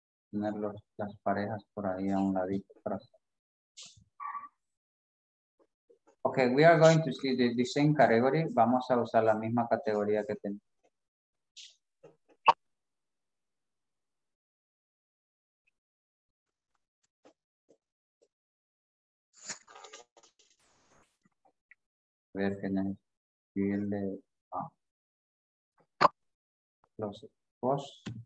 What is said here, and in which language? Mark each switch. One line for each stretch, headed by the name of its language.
Spanish: Tener las parejas por ahí a un ladito atrás.
English: Okay, we are going to see the same category.
Spanish: Vamos a usar la misma categoría que tenemos. Ver que necesite los dos.